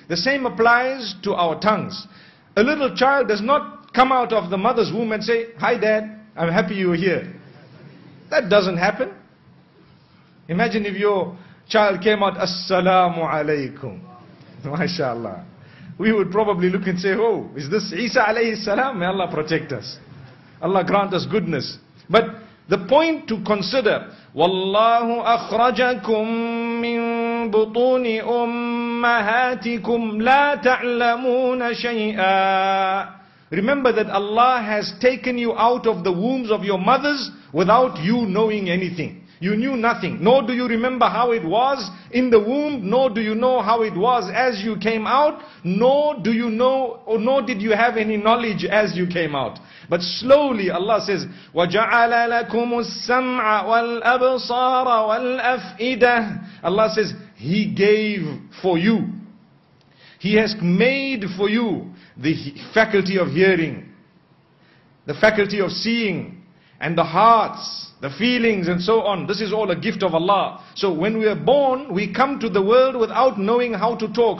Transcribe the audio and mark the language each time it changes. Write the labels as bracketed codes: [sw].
[en] The same applies to our tongues. A little child does not come out of the mother's womb and say, "Hi Dad, I'm happy you're here." That doesn't happen. Imagine if your child came out, "Assalamu alaikum." MashaAllah. We would probably look and say, "Oh, is this Isa alayhi salam? May Allah protect us. Allah grant us goodness." But the point to consider, [ar] وَاللَّهُ أَخْرَجَكُمْ مِنْ بُطُونِ أُمَّهَاتِكُمْ لَا تَعْلَمُونَ شَيْئًا. [en] Remember that Allah has taken you out of the wombs of your mothers without you knowing anything. You knew nothing, nor do you remember how it was in the womb, nor do you know how it was as you came out, nor do you know, or nor did you have any knowledge as you came out. But slowly Allah says, [ar] وَجَعَلَ لَكُمُ السَّمْعَ وَالْأَبْصَارَ وَالْأَفْئِدَةِ. [en] Allah says, He gave for you. He has made for you the faculty of hearing, the faculty of seeing, and the hearts, the feelings and so on. This is all a gift of Allah. So when we are born, we come to the world without knowing how to talk.